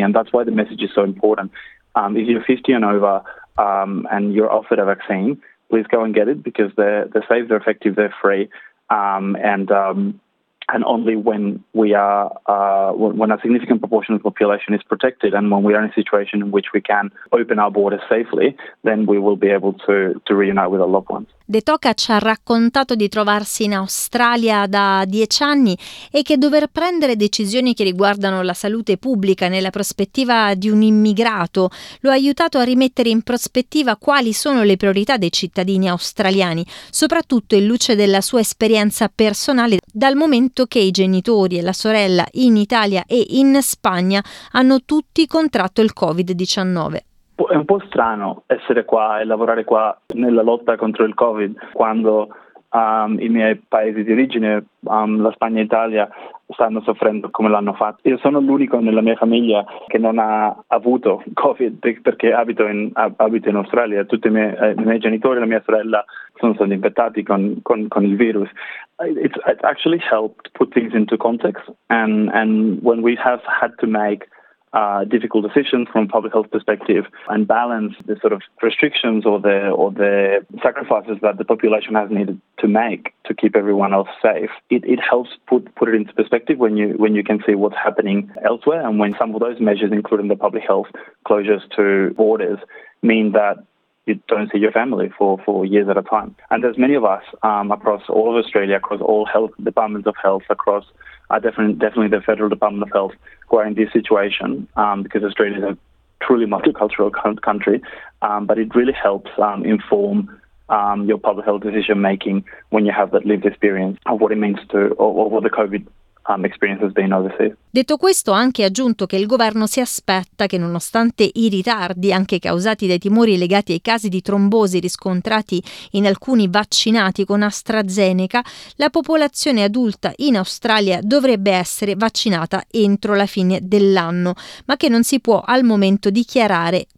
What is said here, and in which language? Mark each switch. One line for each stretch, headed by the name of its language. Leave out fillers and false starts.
English: And that's why the message is so important. If you're 50 and over and you're offered a vaccine, please go and get it, because they're safe, they're effective, they're free. And only when we are when a significant proportion of the population is protected, and when we are in a situation in which we can open our borders safely, then we will be able to reunite with our loved ones.
Italian: De Toca ci ha raccontato di trovarsi in Australia da 10 anni e che dover prendere decisioni che riguardano la salute pubblica nella prospettiva di un immigrato lo ha aiutato a rimettere in prospettiva quali sono le priorità dei cittadini australiani, soprattutto in luce della sua esperienza personale, dal momento che i genitori e la sorella in Italia e in Spagna hanno tutti contratto il Covid-19. È un po' strano essere qua e lavorare qua nella lotta contro il Covid quando i miei paesi di origine, la Spagna e l'Italia, stanno soffrendo come l'hanno fatto. Io sono l'unico nella mia famiglia che non ha avuto Covid perché abito in Australia. Tutti i miei genitori e la mia sorella sono stati infettati con il virus.
English: It's actually helped put things into context, and when we have had to make difficult decisions from a public health perspective and balance the sort of restrictions or the sacrifices that the population has needed to make to keep everyone else safe. It helps put it into perspective when you can see what's happening elsewhere, and when some of those measures, including the public health closures to borders, mean that you don't see your family for years at a time. And there's many of us across all of Australia, across all health departments of health, across definitely the Federal Department of Health, who are in this situation because Australia is a truly multicultural country. But it really helps inform your public health decision making when you have that lived experience of what it means to, or what the COVID experience has been overseas.
Italian: Detto questo, ha anche aggiunto che il governo si aspetta che, nonostante i ritardi, anche causati dai timori legati ai casi di trombosi riscontrati in alcuni vaccinati con AstraZeneca, la popolazione adulta in Australia dovrebbe essere vaccinata entro la fine dell'anno, ma che non si può al momento dichiarare